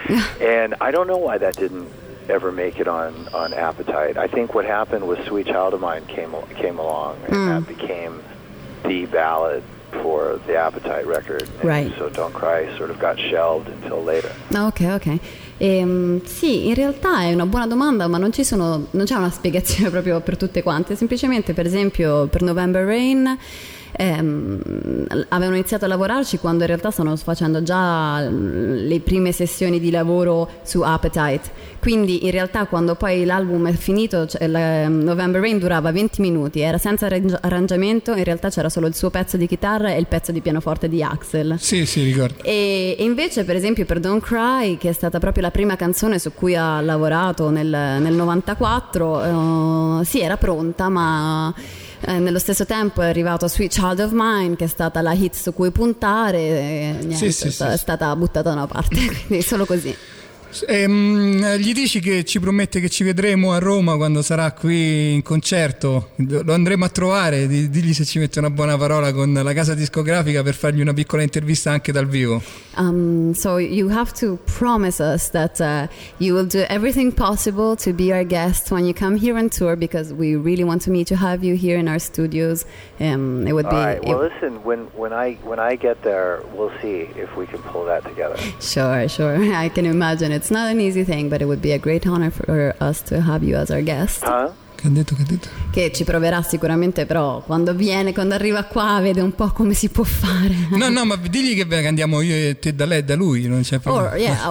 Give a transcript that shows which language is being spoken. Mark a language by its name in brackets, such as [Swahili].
[English] Yeah. And I don't know why that didn't ever make it on Appetite. I think what happened was Sweet Child of Mine came along and that became the ballad for the Appetite record. And right. So Don't Cry sort of got shelved until later. Okay. [Italian] Sì, in realtà è una buona domanda, ma non c'è una spiegazione proprio per tutte quante. Semplicemente, per esempio, per November Rain avevano iniziato a lavorarci quando in realtà stavano facendo già le prime sessioni di lavoro su Appetite. Quindi in realtà quando poi l'album è finito, cioè, November Rain durava 20 minuti, era senza arrangiamento, in realtà c'era solo il suo pezzo di chitarra e il pezzo di pianoforte di Axel. Sì, ricordo. E invece per esempio per Don't Cry, che è stata proprio la prima canzone su cui ha lavorato nel 94, sì, era pronta, ma nello stesso tempo è arrivato Sweet Child of Mine, che è stata la hit su cui puntare, è stata buttata da una parte, quindi solo così. Gli dici che ci promette che ci vedremo a Roma quando sarà qui in concerto? Lo andremo a trovare, digli se ci mette una buona parola con la casa discografica per fargli una piccola intervista anche dal vivo. [English] So you have to promise us that you will do everything possible to be our guest when you come here on tour, because we really want to meet to have you here in our studios. It would be all right. Well, listen, when I get there, we'll see if we can pull that together. Sure, I can imagine. It's not an easy thing, but it would be a great honor for us to have you as our guest. Huh? [Italian] Che ha detto? Che ci proverà sicuramente, però quando viene, quando arriva qua, vede un po' come si può fare. No, ma digli che andiamo io e te da lei, da lui, non c'è problema.